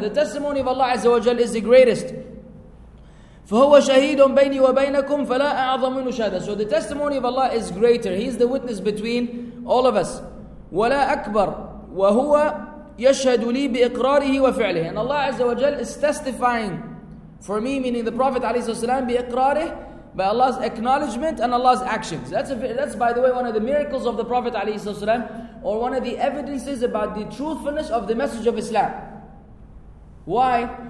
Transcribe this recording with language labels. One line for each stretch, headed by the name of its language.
English: The testimony of Allah عز وجل is the greatest.
Arabic: فهو شهيد بيني وبينكم فلا أعظم منه شهادة.
English: So the testimony of Allah is greater. He is the witness between all of us.
Arabic: ولا أكبر وهو يشهد لي بإقراره وفعله.
English: And Allah عز وجل is testifying for me, meaning the Prophet عليه الصلاة والسلام, بإقراره, by Allah's acknowledgement and Allah's actions. That's by the way one of the miracles of the Prophet ﷺ, or one of the evidences about the truthfulness of the message of Islam. Why?